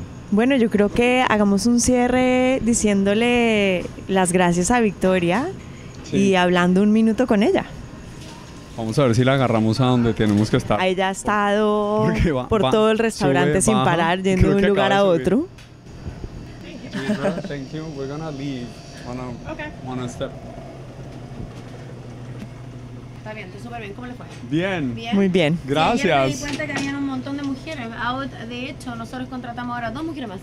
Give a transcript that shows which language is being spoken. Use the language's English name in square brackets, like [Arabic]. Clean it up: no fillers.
[Spanish] Bueno, yo creo que hagamos un cierre diciéndole las gracias a Victoria, sí, y hablando un minuto con ella. Vamos a ver si la agarramos a donde tenemos que estar. Ella ha estado por todo el restaurante sin parar, yendo de un lugar a otro. [English] Thank you. We're gonna leave on a, okay, on a step. [Spanish] Está bien, está súper bien. ¿Cómo le fue? Bien. Bien. Muy bien. Gracias. Sí, ayer me di cuenta que habían un montón de mujeres. De hecho, nosotros contratamos ahora dos mujeres más.